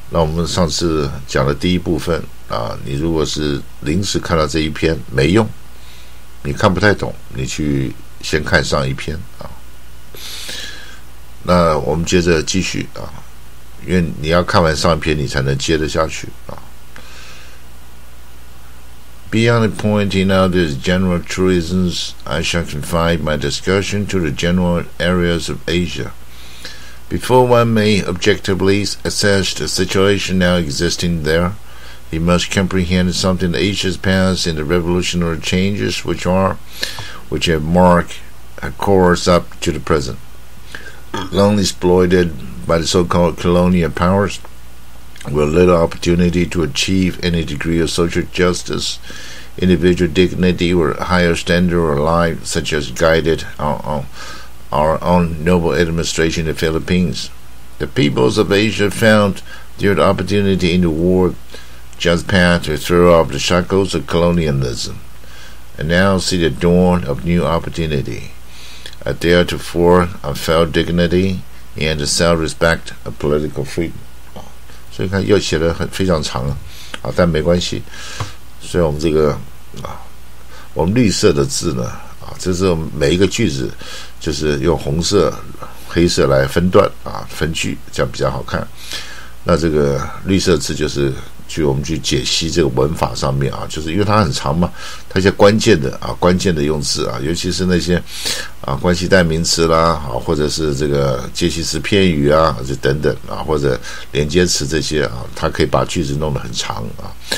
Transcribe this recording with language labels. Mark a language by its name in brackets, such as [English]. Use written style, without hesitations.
[Chinese] 那我们上次讲的第一部分啊，你如果是临时看到这一篇没用，你看不太懂，你去先看上一篇啊。那我们接着继续啊，因为你要看完上一篇，你才能接得下去啊。 [English] Beyond the point in all these general truisms, I shall confine my discussion to the general areas of Asia. Before one may objectively assess the situation now existing there, he must comprehend something Asia's past and the revolutionary changes which have marked her course up to the present. Long exploited by the so-called colonial powers,with little opportunity to achieve any degree of social justice, individual dignity, or higher standard of life, such as guided our own noble administration in the Philippines. The peoples of Asia found their opportunity in the war just past to throw off the shackles of colonialism, and now see the dawn of new opportunity, a theretofore unfelt dignity and the self-respect of political freedom. [Chinese] 所以看又写得很非常长啊，但没关系。所以我们这个啊，我们绿色的字呢啊，这是每一个句子就是用红色、黑色来分段啊，分句，这样比较好看。那这个绿色字就是去我们去解析这个文法上面啊，就是因为它很长嘛，它一些关键的啊，关键的用字啊，尤其是那些啊关系代名词啦啊，或者是这个介系词片语啊，就等等啊，或者连接词这些啊，它可以把句子弄得很长啊。